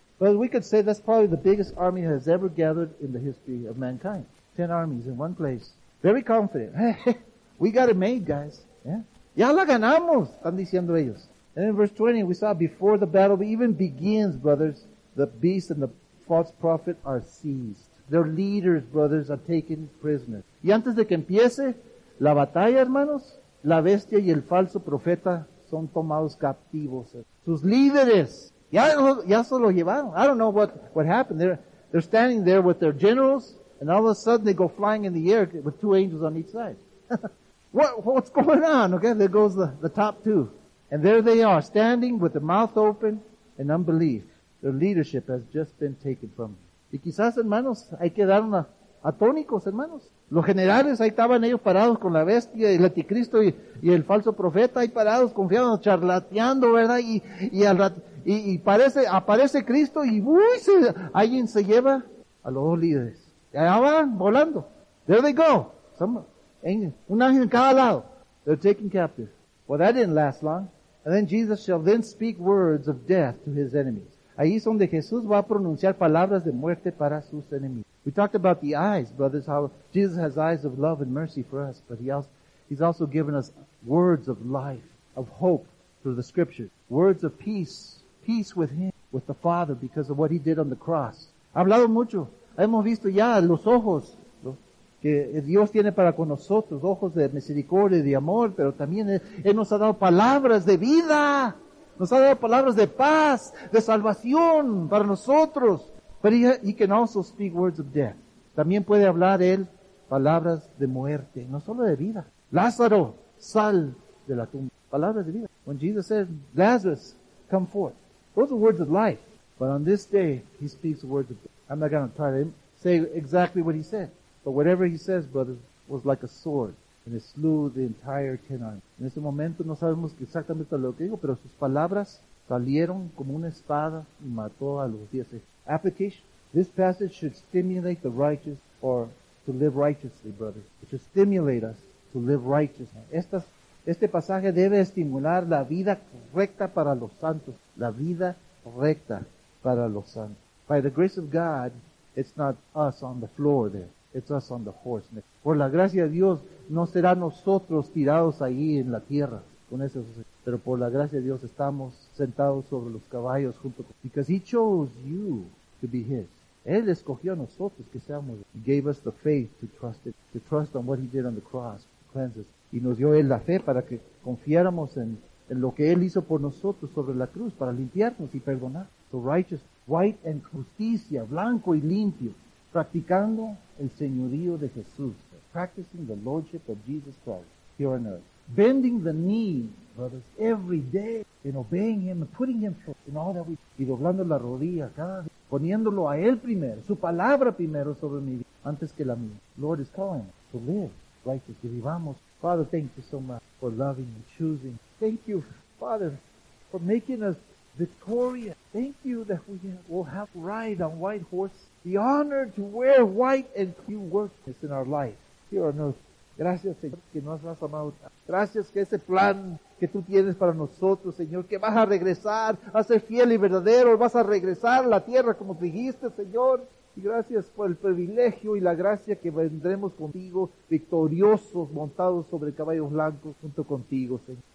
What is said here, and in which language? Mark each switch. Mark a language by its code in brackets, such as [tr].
[en] But we could say that's probably the biggest army has ever gathered in the history of mankind. 10 armies in one place. Very confident. We got it made, guys. Yeah? [es] Ya la ganamos, están diciendo ellos. [en] And in verse 20, we saw before the battle even begins, brothers, the beast and the false prophet are seized. Their leaders, brothers, are taken prisoners. [es] Y antes de que empiece la batalla, hermanos, la bestia y el falso profeta son tomados captivos. Sus líderes ya se los llevaron. [en] I don't know what happened. They're standing there with their generals, and all of a sudden they go flying in the air with two angels on each side. What's going on? Okay, there goes the top two. And there they are, standing with their mouth open in unbelief. Their leadership has just been taken from them. [es] Y quizás, hermanos, ahí quedaron atónicos, hermanos. Los generales, ahí estaban ellos parados con la bestia, el anticristo y el falso profeta, ahí parados, confiados, charlateando, ¿verdad? Y aparece Cristo y ¡uy! Alguien se lleva a los dos líderes. Y allá van volando. [en] There they go. [es] Un ángel en cada lado. [en] They're taken captive. Well, that didn't last long. And then Jesus shall then speak words of death to his enemies. [es] Ahí es donde Jesús va a pronunciar palabras de muerte para sus enemigos. [en] We talked about the eyes, brothers, how Jesus has eyes of love and mercy for us, but he's also given us words of life, of hope through the scriptures. Words of peace, peace with him, with the Father because of what he did on the cross. [es] Ha hablado mucho. Hemos visto ya los ojos que Dios tiene para con nosotros, ojos de misericordia y de amor, pero también Él nos ha dado palabras de vida, nos ha dado palabras de paz, de salvación para nosotros. [en] But he can also speak words of death. [es] También puede hablar Él palabras de muerte, no solo de vida. Lázaro, sal de la tumba. Palabras de vida. [en] When Jesus said, Lazarus, come forth. Those are words of life. But on this day, He speaks words of death. I'm not going to try to say exactly what He said. But whatever he says, brothers, was like a sword, and it slew the entire ten armies. [es] En ese momento no sabemos exactamente lo que dijo, pero sus palabras salieron como una espada y mató a los diez. [en] Application. This passage should stimulate the righteous or to live righteously, brothers. It should stimulate us to live righteously. [es] Este pasaje debe estimular la vida recta para los santos. La vida recta para los santos. [en] By the grace of God, it's not us on the floor there. It's us on the horse. [es] Por la gracia de Dios, no será nosotros tirados ahí en la tierra con ese suceso. Pero por la gracia de Dios, estamos sentados sobre los caballos junto con... [en] Because He chose you to be His. [es] Él escogió a nosotros que seamos... [en] He gave us the faith to trust it, to trust on what He did on the cross, to cleanse us. [es] Y nos dio Él la fe para que confiáramos en lo que Él hizo por nosotros sobre la cruz, para limpiarnos y perdonar. [en] So righteous, white and [es] justicia, blanco y limpio. Practicando el Señorío de Jesús. [en] Practicing the Lordship of Jesus Christ here on earth. Bending the knee, brothers, every day. And obeying Him and putting Him first in all that we [es] do. Y doblando la rodilla cada día. Poniéndolo a Él primero, su palabra primero sobre mi vida, antes que la mía. [en] Lord is calling us to live righteous. [es] Que vivamos. [en] Father, thank you so much for loving and choosing. Thank you, Father, for making us victorious. Thank you that we will have ride on white horses. The honor to wear white and few words in our life. Here on earth. [es] Gracias, Señor, que nos has amado. Gracias que ese plan que tú tienes para nosotros, Señor, que vas a regresar a ser fiel y verdadero, vas a regresar a la tierra como dijiste, Señor. Y gracias por el privilegio y la gracia que vendremos contigo, victoriosos, montados sobre caballos blancos junto contigo, Señor.